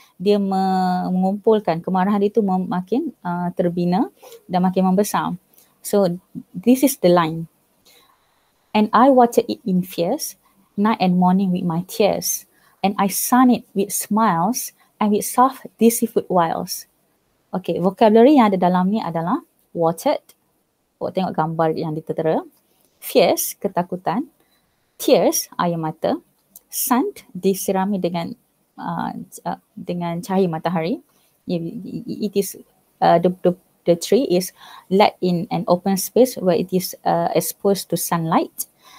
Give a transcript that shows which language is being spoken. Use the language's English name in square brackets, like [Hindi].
[Malay] Dia mengumpulkan kemarahan itu makin terbina dan makin membesar. [English] So this is the line. And I water it in fears, night and morning with my tears. And I sun it with smiles and with soft deceitful wiles. [Malay] Okay, vocabulary yang ada dalam ni adalah watered. Oh, tengok gambar yang ditertera. Fierce, ketakutan. Tears, air mata. Sun, disirami dengan dengan cahaya matahari. [English] It is the tree is let in an open space where it is exposed to sunlight.